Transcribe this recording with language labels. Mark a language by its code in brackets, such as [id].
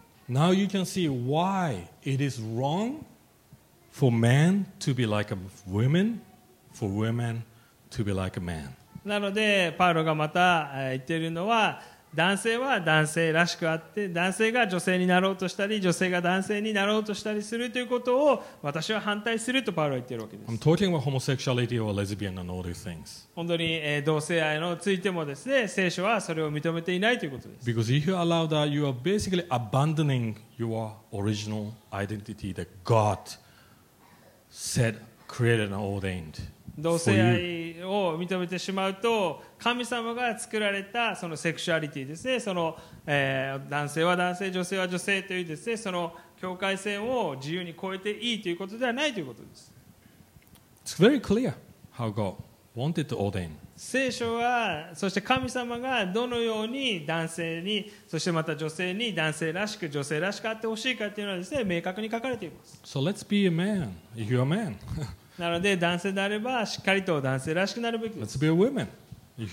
[en] Now you can see why it is wrong for men to be like a woman, for women to be like a man. [ja] なのでパウロがまた言っているのは男性は男性らしくあって男性が女性になろうとしたり女性が男性になろうとしたりするということを私は反対するとパウロは言っているわけです。 [en] I'm talking about homosexuality or lesbian and all these things. [ja] 本当に同性愛のついてもですね聖書はそれを認めていないということです。 [en] Because if you allow that you are basically abandoning your original identity that God said, created and ordained. [ja] 同性愛を認めてしまうと神様が作られたそのセクシュアリティですね、その、男性は男性女性は女性というですね、その境界線を自由に超えていいということではないということです。 [en] It's very clear how God wanted to ordain. [ja] 聖書はそして神様がどのように男性にそしてまた女性に男性らしく女性らしくあってほしいかというのはですね、明確に書かれています。 [en] So let's be a man if you're a man. [ja] なので男性であればしっかりと男性らしくなるべきです。 [en] Let's be a woman, if you're